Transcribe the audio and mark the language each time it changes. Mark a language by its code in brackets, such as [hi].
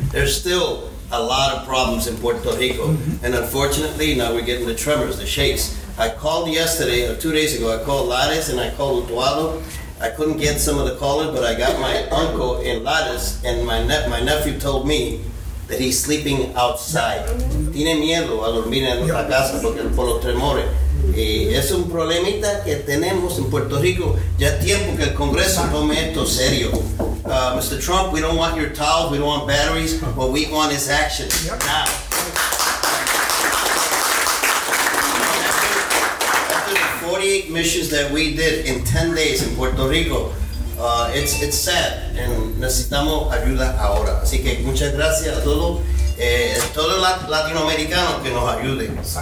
[en] There's still a lot of problems in Puerto Rico, and unfortunately now we're getting the tremors, the shakes. I called yesterday, or 2 days ago, I called Lares and I called Utuado. I couldn't get some of the callers, but I got my uncle in Lares, and my nephew told me that he's sleeping outside. [es] Tiene miedo a dormir en la casa porque por los tremores. Y es un problemita que tenemos en Puerto Rico. Ya tiempo que el Congreso tome esto serio. [en] Mr. Trump, we don't want your towels, we don't want batteries. What we want is action, now. After the 48 missions that we did in 10 days in Puerto Rico, it's sad, and [es] necesitamos ayuda ahora. Así que muchas gracias a todos, todos los latinoamericanos que nos ayuden.